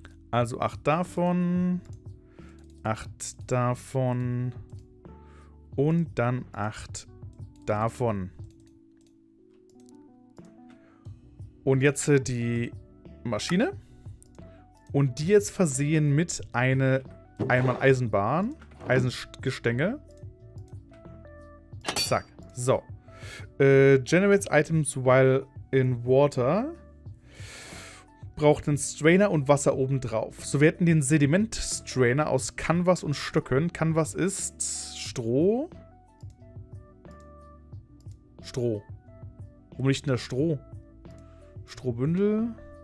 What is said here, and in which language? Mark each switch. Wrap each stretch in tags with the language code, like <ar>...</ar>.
<de>Also acht davon. Acht davon und dann acht davon. Und jetzt die Maschine. Und die jetzt versehen mit eine einmal Eisenbahn, Eisengestänge. Zack. So.</de> <en>Generates items while in water.</en> <de>Braucht einen Strainer und Wasser obendrauf. So, wir hätten den Sediment-Strainer aus Canvas und Stöcken. Canvas ist Stroh. Stroh. Warum nicht denn das Stroh? Strohbündel.</de>